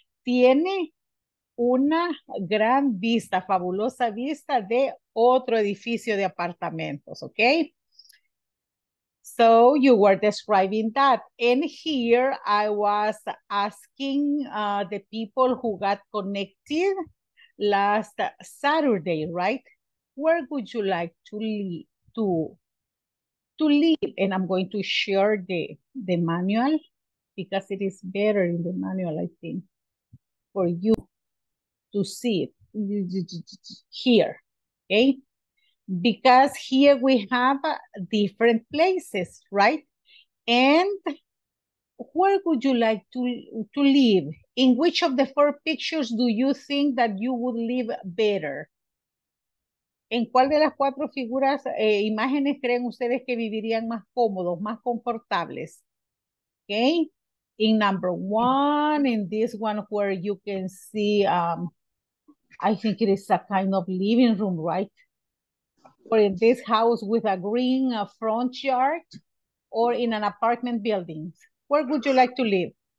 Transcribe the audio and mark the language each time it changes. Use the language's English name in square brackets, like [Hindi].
[Spanish] Tiene una gran vista, fabulosa vista de otro edificio de apartamentos. [English] Okay. So you were describing that. And here I was asking the people who got connected last Saturday, right? Where would you like to live? And I'm going to share the manual because it is better in the manual, I think, for you to see it here, okay? Because here we have different places, right? And where would you like to live? In which of the four pictures do you think that you would live better? [Spanish] ¿En cuál de las cuatro figuras, imágenes creen ustedes que vivirían más cómodos, más confortables? [English] Okay, in number one, in this one where you can see, I think it is a kind of living room, right? Or in this house with a green front yard, or in an apartment building, where would you like to live?